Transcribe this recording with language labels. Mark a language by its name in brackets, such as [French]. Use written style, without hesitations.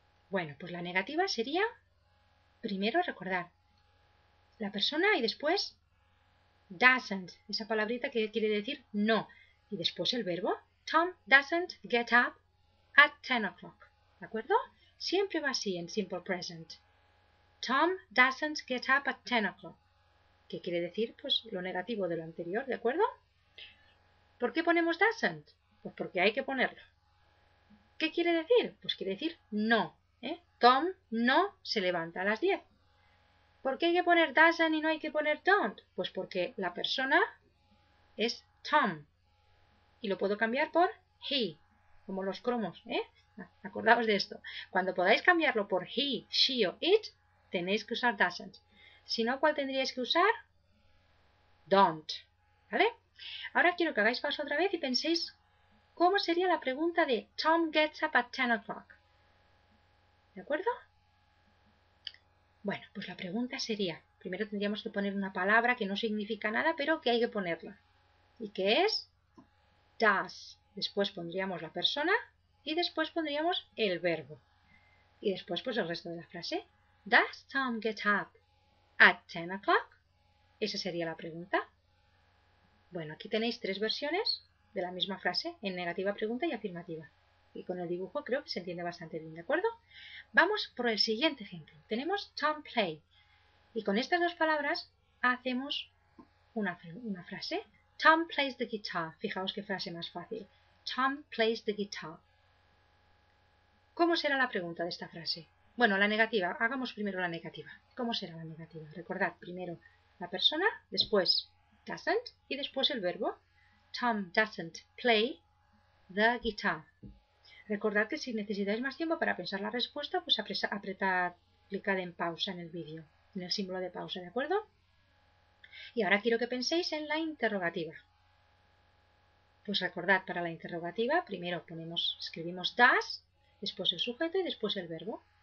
[Spanish] Bueno, pues la negativa sería... Primero, recordar la persona y después doesn't, esa palabrita que quiere decir no. Y después el verbo, [English] Tom doesn't get up at 10 o'clock. [Spanish] ¿De acuerdo? Siempre va así en simple present. [English] Tom doesn't get up at 10 o'clock. [Spanish] ¿Qué quiere decir? Pues lo negativo de lo anterior, ¿de acuerdo? ¿Por qué ponemos doesn't? Pues porque hay que ponerlo. ¿Qué quiere decir? Pues quiere decir no. Tom no se levanta a las 10. ¿Por qué hay que poner doesn't y no hay que poner don't? Pues porque la persona es Tom. Y lo puedo cambiar por he, como los cromos, ¿eh? Acordaos de esto. Cuando podáis cambiarlo por he, she o it, tenéis que usar doesn't. Si no, ¿cuál tendríais que usar? Don't. ¿Vale? Ahora quiero que hagáis paso otra vez y penséis cómo sería la pregunta de [English] Tom gets up at 10 o'clock. [Spanish] ¿De acuerdo? Bueno, pues la pregunta sería, primero tendríamos que poner una palabra que no significa nada, pero que hay que ponerla. ¿Y qué es? Does. Después pondríamos la persona y después pondríamos el verbo. Y después pues el resto de la frase. [English] Does Tom get up at 10 o'clock? [Spanish] Esa sería la pregunta. Bueno, aquí tenéis tres versiones de la misma frase, en negativa, pregunta y afirmativa. Y con el dibujo creo que se entiende bastante bien, ¿de acuerdo? Vamos por el siguiente ejemplo. Tenemos Tom play. Y con estas dos palabras hacemos una frase. [English] Tom plays the guitar. [Spanish] Fijaos qué frase más fácil. [English] Tom plays the guitar. [Spanish] ¿Cómo será la pregunta de esta frase? Bueno, la negativa. Hagamos primero la negativa. ¿Cómo será la negativa? Recordad, primero la persona, después doesn't y después el verbo. [English] Tom doesn't play the guitar. [Spanish] Recordad que si necesitáis más tiempo para pensar la respuesta, pues apretad, clicad en pausa en el vídeo, en el símbolo de pausa, ¿de acuerdo? Y ahora quiero que penséis en la interrogativa. Pues recordad, para la interrogativa, primero ponemos, escribimos does, después el sujeto y después el verbo.